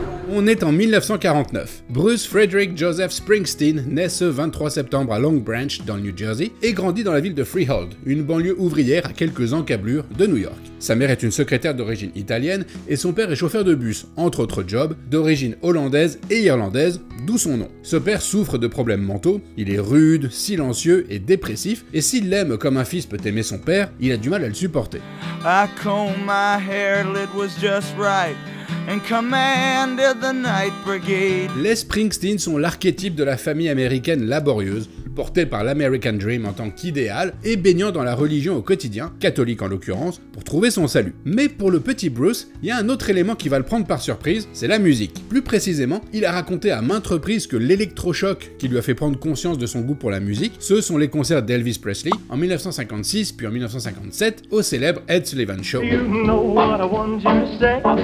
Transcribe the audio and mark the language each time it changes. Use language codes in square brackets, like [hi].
[fr] On est en 1949. Bruce Frederick Joseph Springsteen naît ce 23 septembre à Long Branch dans le New Jersey et grandit dans la ville de Freehold, une banlieue ouvrière à quelques encablures de New York. Sa mère est une secrétaire d'origine italienne et son père est chauffeur de bus, entre autres jobs, d'origine hollandaise et irlandaise, d'où son nom. Ce père souffre de problèmes mentaux, il est rude, silencieux et dépressif, et s'il l'aime comme un fils peut aimer son père, il a du mal à le supporter. [en] I combed my hair, it was just right. And commanded the night brigade. [fr] Les Springsteen sont l'archétype de la famille américaine laborieuse, porté par l'American Dream en tant qu'idéal et baignant dans la religion au quotidien, catholique en l'occurrence, pour trouver son salut. Mais pour le petit Bruce, il y a un autre élément qui va le prendre par surprise, c'est la musique. Plus précisément, il a raconté à maintes reprises que l'électrochoc qui lui a fait prendre conscience de son goût pour la musique, ce sont les concerts d'Elvis Presley en 1956 puis en 1957 au célèbre Ed Sullivan Show. [en] You know what I want you to say.